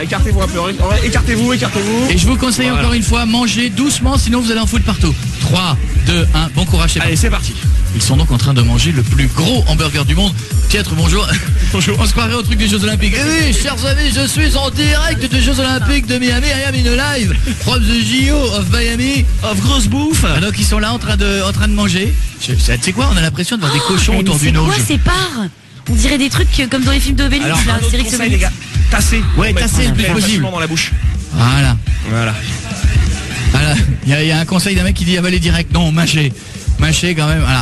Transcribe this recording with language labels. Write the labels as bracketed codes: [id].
[fr] Écartez-vous. Et je vous conseille encore une fois, mangez doucement, sinon vous allez en foutre partout. 3, 2, 1, bon courage chez vous. Allez, c'est parti. Ils sont donc en train de manger le plus gros hamburger du monde. Pietre, bonjour. Bonjour. On se croirait au truc des Jeux Olympiques. Et oui, chers amis, je suis en direct des Jeux Olympiques de Miami. [en] I am in a live from the GO of Miami. [fr] Of grosse bouffe. Ah, donc ils sont là en train de manger. Tu sais quoi, on a l'impression de voir des cochons autour d'une auge. C'est quoi ces parts? On dirait des trucs comme dans les films d'Obélix. Alors, là, un autre conseil, les gars, tassez. Ouais, tassez le plus possible. Dans la bouche. Voilà. Voilà. Il y a un conseil d'un mec qui dit avaler direct. Non, mâcher. Mâcher quand même. Voilà.